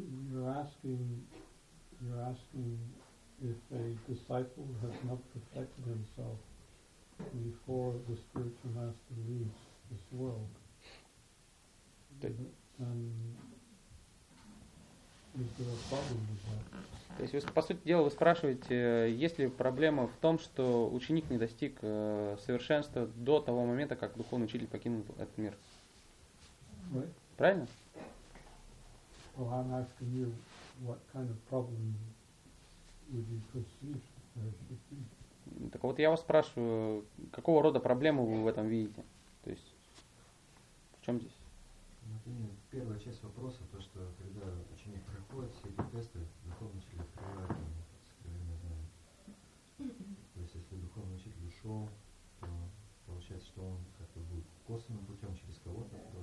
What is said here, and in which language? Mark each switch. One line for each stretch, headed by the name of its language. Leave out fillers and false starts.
English: You're asking if a disciple has not perfected himself before the spiritual master leaves this world, is there a problem with that?
Russian: То есть, по сути дела, вы спрашиваете, есть ли проблема в том, что ученик не достиг совершенства до того момента, как духовный учитель покинул этот мир.
English: Right.
Russian: Правильно?
English: Well, I'm asking you, what kind of problem would you perceive there should be?
Russian: Так вот, я вас спрашиваю, какого рода проблему вы в этом видите? То есть, здесь? Например, первая часть вопроса, то, что когда ученик проходит все эти тесты, духовный учитель открывает ему сокровенное знание. То есть, если духовный учитель ушел, то получается, что он как-то будет косвенным путем через кого-то.